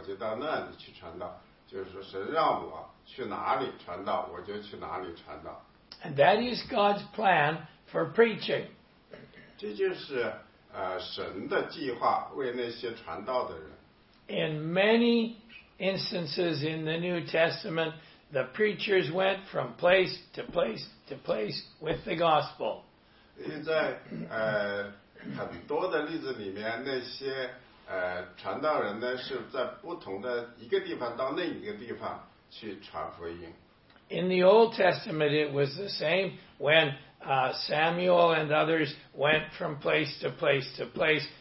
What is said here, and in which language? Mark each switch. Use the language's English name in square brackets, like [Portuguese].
[Chinese] 所以保罗他是这样的,他说我是跟着神的引导和领导,神说我在这里去传道,我就到那里,到那里去传道,我就到那里去传道, 就是神让我去哪里传道,我就去哪里传道。 [English] And that is God's plan for preaching. [Chinese] 这就是, 神的计划, 为那些传道的人。 [English] In many instances in the New Testament, the preachers went from place to place to place with the gospel. [Chinese] 在, 很多的例子里面, 那些, 传道人呢, 是在不同的一个地方到另一个地方去传福音。 [English] In the Old Testament, it was the same when Samuel and others went from place to place to place.